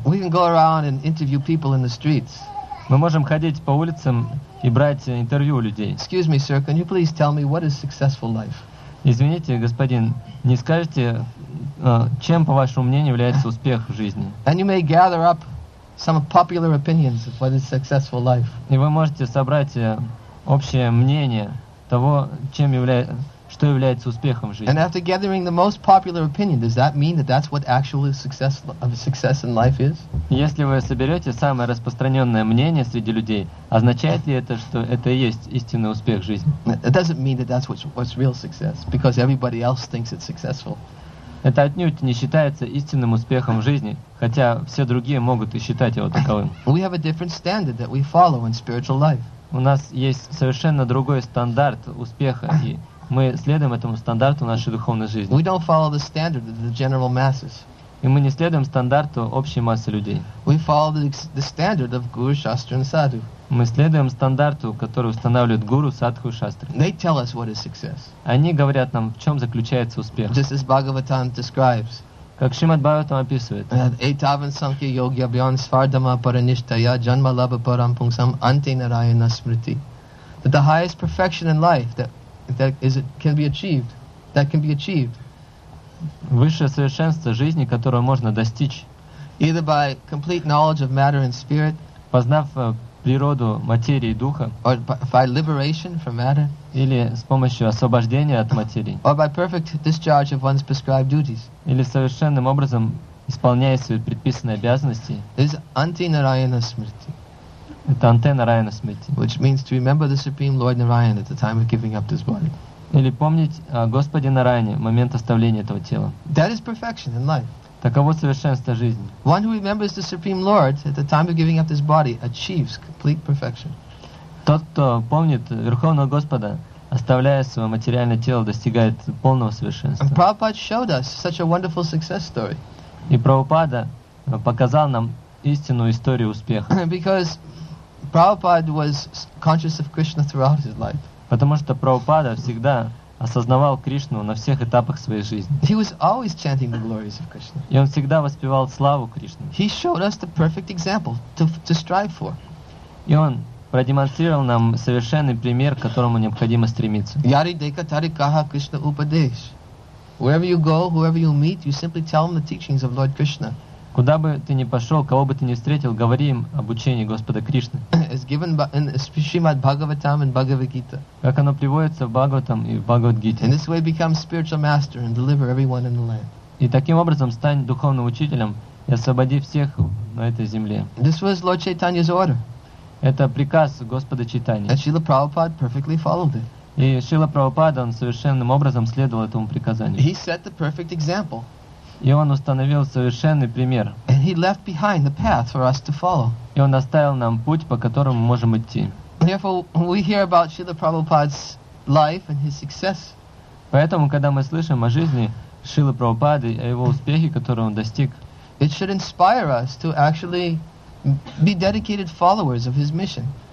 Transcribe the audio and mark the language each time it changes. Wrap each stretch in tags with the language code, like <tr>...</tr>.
<en>We can go around and interview people in the streets.</en> <ru>Мы можем ходить по улицам и брать интервью у людей.</ru> <en>Excuse me, sir, can you please tell me what is successful life?</en> <ru>Извините, господин, не скажете, чем, по вашему мнению, является успех в жизни?</ru> <en>And you may gather up some popular opinions of what is successful life.</en> <ru>И вы можете собрать общее мнение того, что является успехом в жизни.</ru> <en>And after gathering the most popular opinion, does that mean that that's what actually success in life is?</en> <ru>Если вы соберете самое распространенное мнение среди людей, означает ли это, что это и есть истинный успех в жизни?</ru> <en>It doesn't mean that that's what's real success, because everybody else thinks it's successful.</en> <ru>Это отнюдь не считается истинным успехом в жизни, хотя все другие могут и считать его таковым.</ru> <en>We have a different standard that we follow in spiritual life.</en> <ru>У нас есть совершенно другой стандарт успеха, и мы следуем этому стандарту нашей духовной жизни.</ru> <en>We don't follow the standard of the general masses.</en> <ru>И мы не следуем стандарту общей массы людей.</ru> <en>We follow the standard of Guru, Shastra, and Sadhu.</en> <ru>Мы следуем стандарту, который устанавливает Гуру, Садху и Шастры.</ru> <en>They tell us what is success.</en> <ru>Они говорят нам, в чем заключается успех.</ru> <en>Just as Bhagavatam describes.</en> <ru>Как Шримад Бхагаватам описывает.</ru> <sa>Этавен санхи йоги абьян свардама параништа джанма лаба парам пунгсам анте нараяна смрити.</sa> <en>That the highest perfection in life that can be achieved.</en> <ru>Высшее совершенство жизни, которое можно достичь.</ru> <en>Either by complete knowledge of matter and spirit.</en> <ru>Познав природу материи и духа.</ru> <en>Or by liberation from matter.</en> <ru>Или с помощью освобождения от материи.</ru> <en>Or by perfect discharge of one's prescribed duties.</en> <ru>Или совершенным образом исполняя свои предписанные обязанности.</ru> <en>This is anti narayana smriti.</en> <ru>Это антенна Райана Смити.</ru> <en>Which means to remember the Supreme Lord Narayan at the time of giving up this body.</en> <ru>Или помнить о Господе Нарайане в момент оставления этого тела.</ru> <en>That is perfection in life.</en> <ru>Таково совершенство жизни.</ru> <en>One who remembers the Supreme Lord at the time of giving up this body achieves complete perfection.</en> <ru>Тот, кто помнит Верховного Господа, оставляя свое материальное тело, достигает полного совершенства.</ru> <en>And Prabhupada showed us such a wonderful success story.</en> <ru>И Прабхупада показал нам истинную историю успеха.</ru> <en>Because Prabhupada was conscious of Krishna throughout his life.</en> <ru>Потому что Прабхупада всегда осознавал Кришну на всех этапах своей жизни.</ru> <en>He was always chanting the glories of Krishna.</en> <ru>И он всегда воспевал славу Кришны.</ru> <en>He showed us the perfect example to strive for.</en> <ru>И он продемонстрировал нам совершенный пример, к которому необходимо стремиться.</ru> <bn>Yari deka tari kaha Krishna upadesh.</bn> <en>Wherever you go, whoever you meet, you simply tell them the teachings of Lord Krishna.</en> <ru>Куда бы ты ни пошел, кого бы ты ни встретил, говори им об учении Господа Кришны.</ru> <en>As given in Srimad Bhagavatam and Bhagavad Gita.</en> <ru>Как оно приводится в Бхагаватам и в Бхагавад-гите.</ru> <en>In this way become spiritual master and deliver everyone in the land.</en> <ru>И таким образом стань духовным учителем и освободи всех на этой земле.</ru> <en>This was Lord Chaitanya's order.</en> <ru>Это приказ Господа Чайтаньи.</ru> <en>And Srila Prabhupada perfectly followed it.</en> <ru>И Шрила Прабхупада, он совершенным образом следовал этому приказанию.</ru> <en>He set the perfect example.</en> <ru>И он установил совершенный пример.</ru> <en>And he left behind the path for us to follow.</en> <ru>И он оставил нам путь, по которому мы можем идти.</ru> <en>Therefore, we hear about Srila Prabhupada's life and his success.</en> <ru>Поэтому, когда мы слышим о жизни Шрилы Прабхупады, о его успехе, который он достиг,</ru> <en>it should inspire us to actually be dedicated followers of his mission.</en>